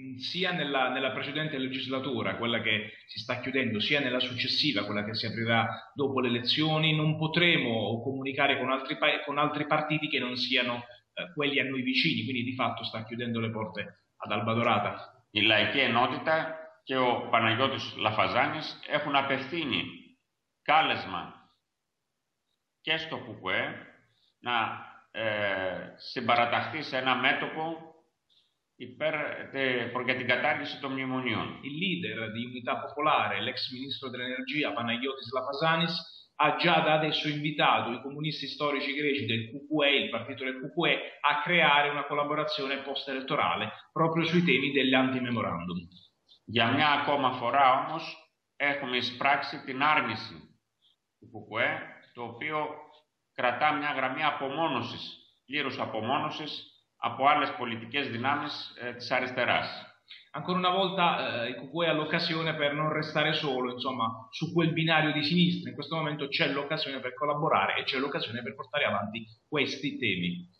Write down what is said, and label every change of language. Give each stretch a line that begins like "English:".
Italian: Sia nella precedente legislatura, quella che si sta chiudendo, sia nella successiva, quella che si aprirà dopo le elezioni, non potremo comunicare con altri partiti che non siano quelli a noi vicini, quindi di fatto sta chiudendo le porte ad Alba Dorata.
Greek: Η Λαϊκή Ενότητα και ο Παναγιώτης Λαφαζάνης έχουν απευθύνει κάλεσμα και στο ΚΚΕ να συμπαραταχθεί σε ένα μέτωπο
Italian: per la
Greek: κατάργηση των μνημονίων.
Italian: Il leader di Unità Popolare, l'ex ministro dell'Energia Panagiotis Lafazanis, ha già da adesso invitato i comunisti storici greci del QQE, il partito del QQE, a creare una collaborazione post-elettorale proprio sui temi dell'anti-memorandum.
Greek: Για μια ακόμα φορά όμως έχουμε εισπράξει την άρνηση του QQE, το οποίο κρατά μια γραμμή απομόνωσης, πλήρους απομόνωσης, από άλλες πολιτικές δυνάμεις της αριστεράς.
Italian: Ancora una volta il QQE ha l'occasione per non restare solo, insomma, su quel binario di sinistra. In questo momento c'è l'occasione per collaborare e c'è l'occasione per portare avanti questi temi.